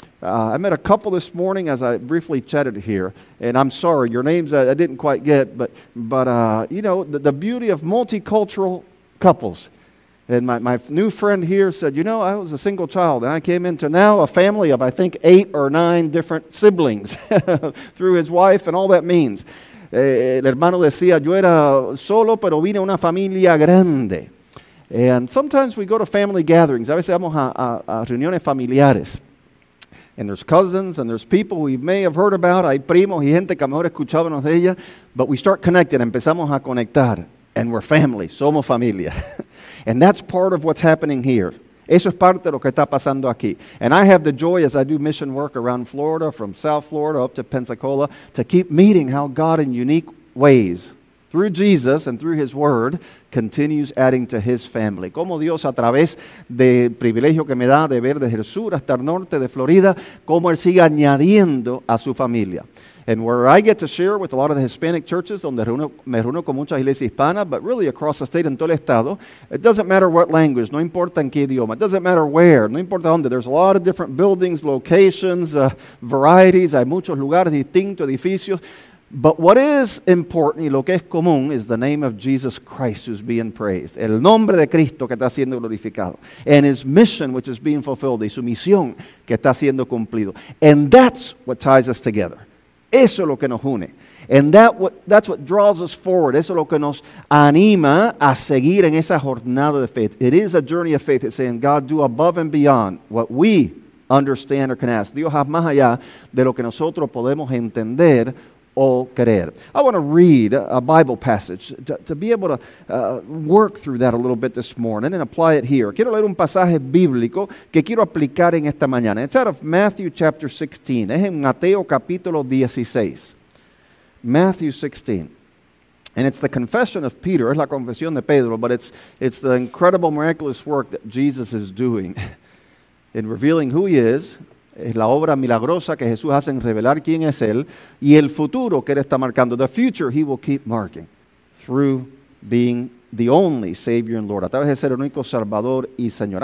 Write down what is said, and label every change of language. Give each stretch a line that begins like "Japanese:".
English: I met a couple this morning as I briefly chatted here, and I'm sorry, your names I didn't quite get, but you know, the beauty of multicultural couples. And my new friend here said, you know, I was a single child, and I came into now a family of, I think, 8 or 9 different siblings through his wife and all that means.
Spanish: El hermano decía, yo era solo, pero vine una familia grande.
English: And sometimes we go to family gatherings.
Spanish: A veces vamos a reuniones familiares.
English: And there's cousins, and there's people we may have heard about.
Spanish: Hay primos y gente que mejor escuchábamos de ella.
English: But we start connecting,
Spanish: empezamos a conectar.
English: And we're family,
Spanish: somos familia.
English: And that's part of what's happening here.
Spanish: Eso es parte de lo que está pasando aquí.
English: And I have the joy as I do mission work around Florida, from South Florida up to Pensacola, to keep meeting how God in unique ways, through Jesus and through His Word, continues adding to His family.
Spanish: Como Dios, a través del privilegio que me da de ver desde el sur hasta el norte de Florida, como Él sigue añadiendo a su familia.
English: And where I get to share with a lot of the Hispanic churches,
Spanish: donde me reúno con muchas iglesias hispanas,
English: but really across the state,
Spanish: en todo el estado,
English: it doesn't matter what language,
Spanish: no importa en qué idioma,
English: it doesn't matter where,
Spanish: no importa dónde,
English: there's a lot of different buildings, locations, varieties,
Spanish: hay muchos lugares distintos, edificios,
English: but what is important
Spanish: y lo que es común
English: is the name of Jesus Christ who's being praised,
Spanish: el nombre de Cristo que está siendo glorificado,
English: and His mission which is being fulfilled,
Spanish: y su misión que está siendo cumplido.
English: And that's what ties us together.
Spanish: Eso es lo que nos une.
English: And that's what draws us forward.
Spanish: Eso es lo que nos anima a seguir en esa jornada de faith.
English: It is a journey of faith. It's saying, God, do above and beyond what we understand or can ask.
Spanish: Dios haz más allá de lo que nosotros podemos entender o creer.
English: I want to read a Bible passage to be able to work through that a little bit this morning and apply it here.
Spanish: Quiero leer un pasaje bíblico que quiero aplicar en esta mañana.
English: It's out of Matthew chapter 16.
Spanish: Es en Mateo capítulo 16.
English: Matthew 16. And it's the confession of Peter.
Spanish: Es la confesión de Pedro,
English: but it's the incredible, miraculous work that Jesus is doing in revealing who He is.
Spanish: Es la obra milagrosa que Jesús hace en revelar quién es Él y el futuro que Él está marcando.
English: The future He will keep marking through being the only Savior and Lord.
Spanish: A través de ser el único Salvador y Señor.